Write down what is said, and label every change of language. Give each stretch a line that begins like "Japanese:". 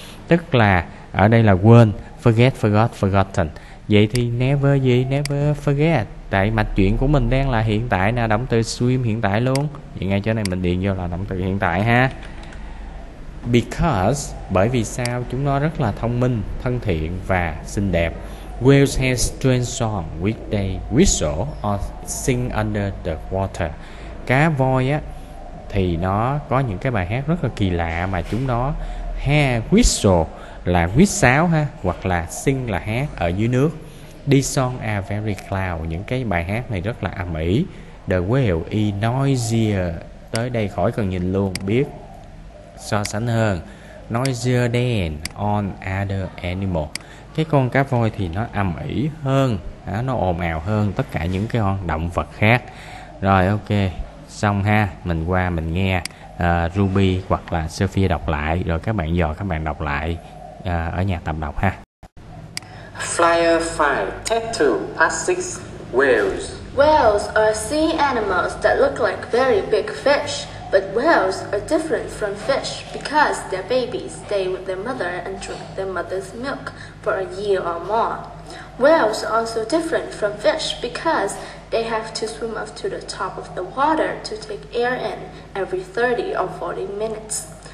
Vietnamese: Tức là ở đây là quên, forgotten. Vậy thì never gì?
English: Never forget.
Vietnamese: Tại mạch truyện của mình đang là hiện tại nè, động từ swim hiện tại luôn. Vậy ngay chỗ này mình điền vô là động từ hiện tại ha. Because, bởi vì sao? Chúng nó rất là thông minh, thân thiện và xinh đẹp.
English: Whales have strange song which they whistle or sing under the water.
Vietnamese: Cá voi á thì nó có những cái bài hát rất là kỳ lạ mà chúng nó ha, whistle là huýt sáo ha, hoặc là sing là hát ở dưới nước.
English: These songs are very loud,
Vietnamese: những cái bài hát này rất là ầm ĩ.
English: The whale is noisier,
Vietnamese: tới đây khỏi cần nhìn luôn, biết so sánh hơn.
English: Noisier than on other animal.
Vietnamese: Cái con cá voi thì nó ầm ĩ hơn, nó ồn ào hơn tất cả những cái con động vật khác. Rồi ok, xong ha, mình qua mình nghe Ruby hoặc là Sophia đọc lại, rồi các bạn dò các bạn đọc lại ở nhà tập đọc ha.
English: Flyer 5, take 2, part 6, whales. Whales are sea animals that look like very big fish, but whales are different from fish because their babies stay with their mother and drink their mother's milk for a year or more. Whales are also different from fish because they have to swim up to the top of the water to take air in every 30 or 40 minutes.